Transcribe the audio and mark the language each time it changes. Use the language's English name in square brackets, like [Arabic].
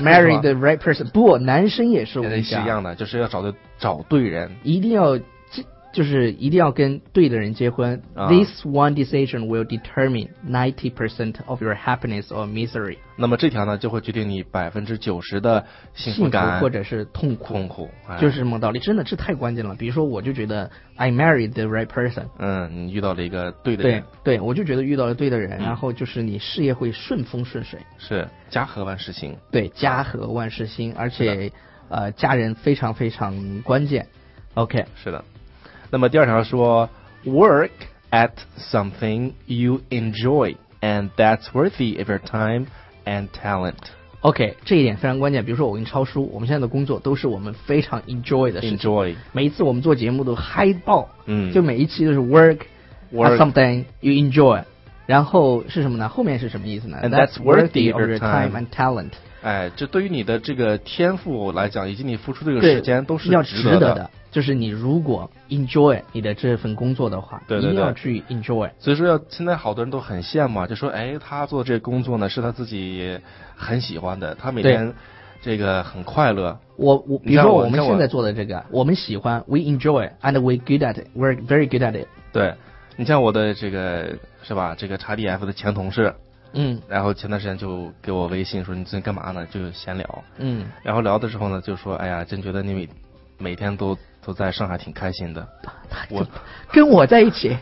[English] marry the right person， [Chinese] 不，男生也是，我们是一样的，就是要找对人，一定要，就是一定要跟对的人结婚、 [English] This one decision will determine 90% of your happiness or misery， [Chinese] 那么这条呢就会决定你90%的幸福感或者是痛苦，痛苦、哎、就是这么道理，真的这太关键了。比如说我就觉得 [English] I married the right person， [Chinese] 嗯，你遇到了一个对的人，对，我就觉得遇到了对的人、然后就是你事业会顺风顺水，是家和万事兴，对，家和万事兴，而且家人非常非常关键。 [English] OK， [Chinese] 是的。那么第二条说 [English] ，work at something you enjoy and that's worthy of your time and talent。 [Chinese] OK， 这一点非常关键。比如说我跟超叔，我们现在的工作都是我们非常 enjoy 的事情。 [English] enjoy， [Chinese] 每一次我们做节目都嗨爆，嗯，就每一期都是 [English] work at something you enjoy。 [Chinese] 然后是什么呢？后面是什么意思呢 [English] ？And that's worthy of your time and talent。 [Chinese] 哎，这对于你的这个天赋来讲，以及你付出这个时间，都是要值得的。就是你如果 enjoy 你的这份工作的话，对对对，一定要去 enjoy。所以说，要现在好多人都很羡慕，就说哎，他做这工作呢，是他自己很喜欢的，他每天这个很快乐。我比如说我们现在做的这个，我们喜欢 [English] ，we enjoy and we good at it, we're very good at it。 [Chinese] 对。你像我的这个是吧，这个XDF的前同事，嗯，然后前段时间就给我微信说你最近干嘛呢，就闲聊，嗯，然后聊的时候呢就说哎呀，真觉得你每天都在上海挺开心的，我跟我在一起